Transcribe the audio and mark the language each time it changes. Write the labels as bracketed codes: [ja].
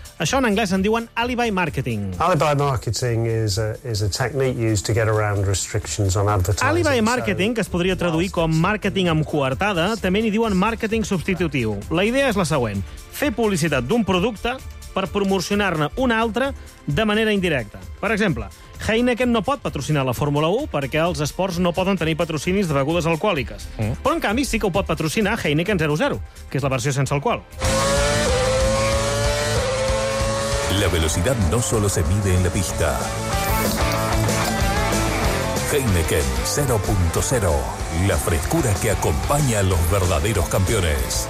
[ca] Això en anglès en diuen alibi marketing. [en] Alibi marketing is a technique used to get around restrictions on advertising. [ca] Alibi marketing, que es podria traduir com màrqueting amb coartada, també n'hi diuen màrqueting substitutiu. La idea és la següent. Fer publicitat d'un producte per promocionar-ne un altre de manera indirecta. Per exemple, Heineken no pot patrocinar la Fórmula 1 perquè els esports no poden tenir patrocinis de begudes alcohòliques. Mm. Però, en canvi, sí que ho pot patrocinar Heineken 00, que és la versió sense alcohol. [es] La velocidad no solo se mide en la pista. Heineken 0.0, la frescura que acompaña a los verdaderos campeones.